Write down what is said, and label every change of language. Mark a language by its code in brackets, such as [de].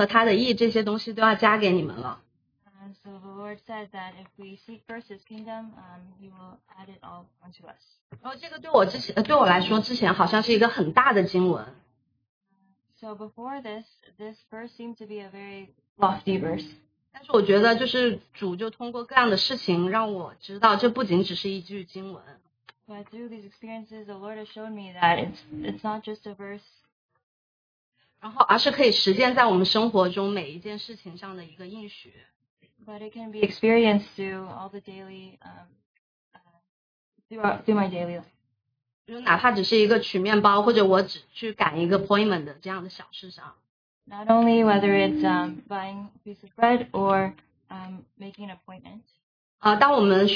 [zh] 但主提醒我们，你们要先求他的国和他的义，这些东西都要加给你们了。 [en] So the Lord said that if we seek first his kingdom, he will add it all unto us. [zh] 然后这个对我来说之前好像是一个很大的经文。 [en] So before this, this verse seemed to be a very lofty verse. [zh] 但是我觉得就是主就通过各样的事情让我知道这不仅只是一句经文。 [en] But through these experiences, the Lord has shown me that it's not just a verse. [zh] 然后而是可以实践在我们生活中每一件事情上的一个应许。 [en] But it can be experienced through all the daily through my daily life. Not only whether it's buying a piece of bread or making an appointment.